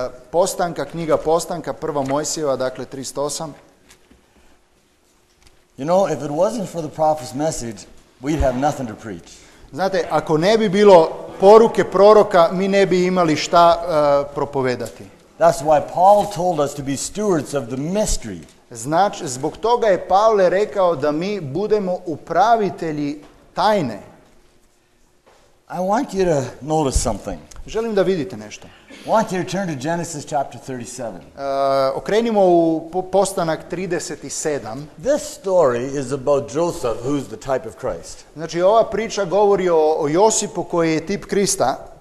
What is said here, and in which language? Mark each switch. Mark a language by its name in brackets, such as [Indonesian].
[Croatian] Postanka, knjiga Postanka, prva Mojsijeva, dakle 308. [English] You know, if it wasn't for the prophet's message, we'd have nothing to preach. [Croatian] Znate, ako ne bi bilo poruke proroka, mi ne bi imali šta propovedati. [English] That's why Paul told us to be stewards of the mystery. [Croatian] Znači, zbog toga je Pavle rekao da mi budemo upravitelji tajne. [English] I want you to notice something. [Croatian] Želim da vidite nešto. [English] I want you to turn to Genesis chapter 37. [Croatian] Okrenimo u Postanak 37. [English] This story is about Joseph, who's the type of Christ. [Croatian] Znači, ova priča govori o Josipu koji je tip Krista.